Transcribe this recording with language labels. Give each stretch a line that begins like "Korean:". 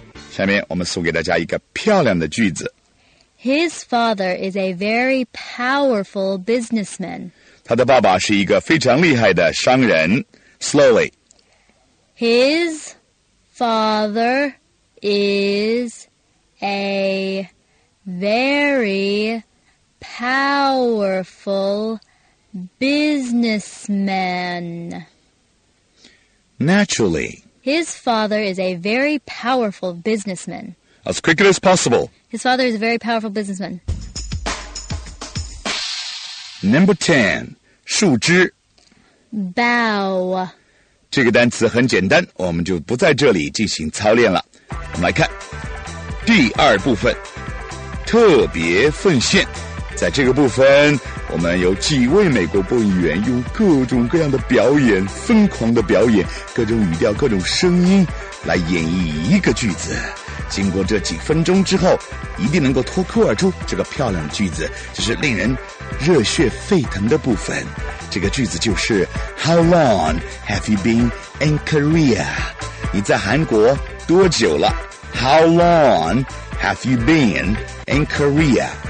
Chinese: 下面我们送给大家一个漂亮的句子。
English: His father is a very powerful businessman.
Chinese: 他的爸爸是一个非常厉害的商人。
English: Slowly. His father is a very powerful businessman. Naturally. His father is a very powerful businessman. As quickly as possible. His father is a very powerful businessman. Number 10,
Chinese: 树枝。
English: Bow.
Chinese: 这个单词很简单，我们就不在这里进行操练了。我们来看第二部分，特别奉献。在这个部分，我们有几位美国播音员用各种各样的表演，疯狂的表演，各种语调，各种声音来演绎一个句子。经过这几分钟之后，一定能够脱口而出这个漂亮的句子，就是令人热血沸腾的部分。这个句子就是
English: How long have you been in Korea?
Chinese: 你在韩国多久了？
English: How long have you been in Korea?